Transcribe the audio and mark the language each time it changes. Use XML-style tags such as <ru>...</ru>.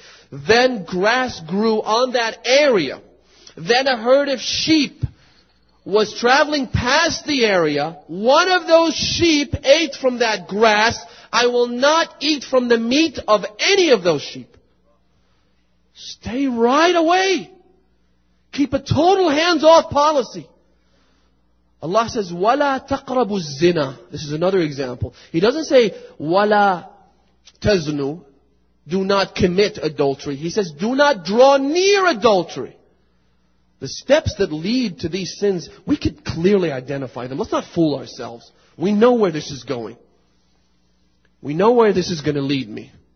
<en>Then grass grew on that area. Then a herd of sheep was traveling past the area. One of those sheep ate from that grass. I will not eat from the meat of any of those sheep. Stay right away. Keep a total hands-off policy. Allah says,</en> <ar>وَلَا تَقْرَبُ الزِّنَى.</ar> <en>This is another example. He doesn't say,</en> <ar>وَلَا تَزْنُوا.</ar> <en>Do not commit adultery. He says, do not draw near adultery. The steps that lead to these sins, we could clearly identify them. Let's not fool ourselves. We know where this is going. We know where this is going to lead me.</en>